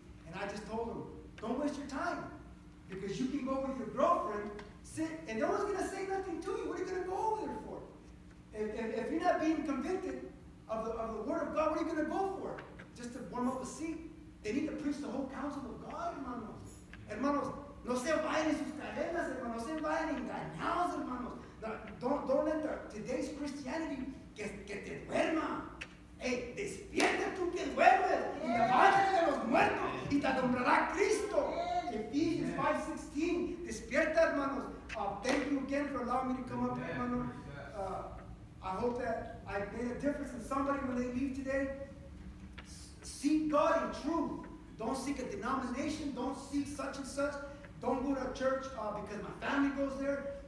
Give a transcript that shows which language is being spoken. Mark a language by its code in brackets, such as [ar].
[en] And I just told him, don't waste your time. Because you can go with your girlfriend, sit, and no one's going to say nothing to you. What are you going to go over there for? If you're not being convicted of the word of God, what are you going to go for? Just to warm up a seat. They need to preach the whole counsel of God, hermanos. [es] Hermanos, no se vayan en sus cadenas, hermanos. No se vayan engañados, hermanos. [en] Don't let today's Christianity [es] que te duerma. Hey, despierta tú que duermes. Y levántate de los muertos y te nombrará Cristo. Ephesians 5:16. Despierta, hermanos. [en] Thank you again for allowing me to come up, hermano. I hope that I made a difference in somebody when they leave today. Seek God in truth. Don't seek a denomination. Don't seek such and such. Don't go to a church because my family goes there.